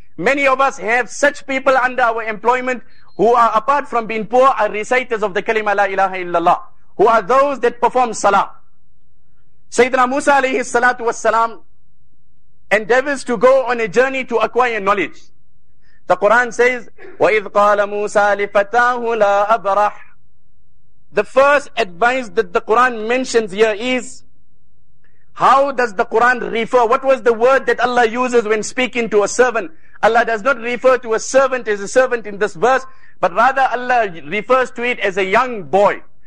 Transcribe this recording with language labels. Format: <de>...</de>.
<en>Many of us have such people under our employment who are, apart from being poor, are reciters of the kalima la ilaha illallah, who are those that perform salah. Sayyidina Musa alayhi salatu wassalam endeavors to go on a journey to acquire knowledge. The Quran says,</en> <ar>وَإِذْ قَالَ مُوسَى لِفَتَاهُ لَا أَبْرَحْ.</ar> <en>The first advice that the Quran mentions here is, how does the Quran refer? What was the word that Allah uses when speaking to a servant? Allah does not refer to a servant as a servant in this verse, but rather Allah refers to it as a young boy.</en>